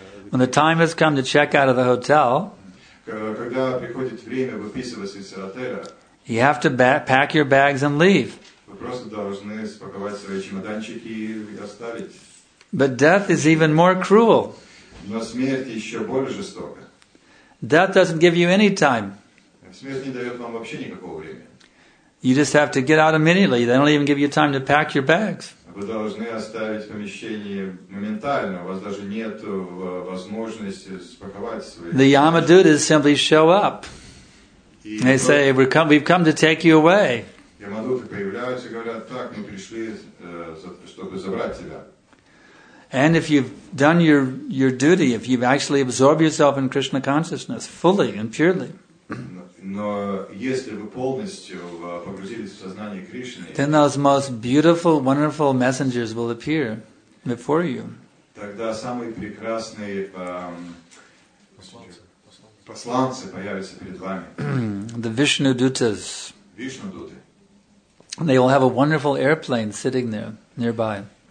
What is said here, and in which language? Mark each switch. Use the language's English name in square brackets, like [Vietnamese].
[English] When the time has come to check out of the hotel, [Russian] когда приходит время выписываться из отеля, [English] you have to pack your bags and leave. [Russian] Вы просто должны спаковать свои чемоданчики и оставить. [English] But death is even more cruel. [Russian] Но смерть еще более жестока. [English] Death doesn't give you any time. [Russian] Смерть не дает вам вообще никакого времени. [English] You just have to get out immediately. They don't even give you time to pack your bags. [Russian] Вы должны оставить помещение моментально. У вас даже нет возможности спаковать свои. [English] The Yamadutas simply show up. They say, "We've come to take you away." [Russian] Yamadutas появляются и говорят: "Так, мы пришли, чтобы забрать тебя." [English] And if you've done your duty, if you've actually absorbed yourself in Krishna consciousness fully and purely, then those most beautiful, wonderful messengers will appear before you. [Russian] Тогда самые прекрасные посланцы появятся перед вами. [English] The Vishnu Dutas. Vishnu Dutas. And they will have a wonderful airplane sitting there nearby.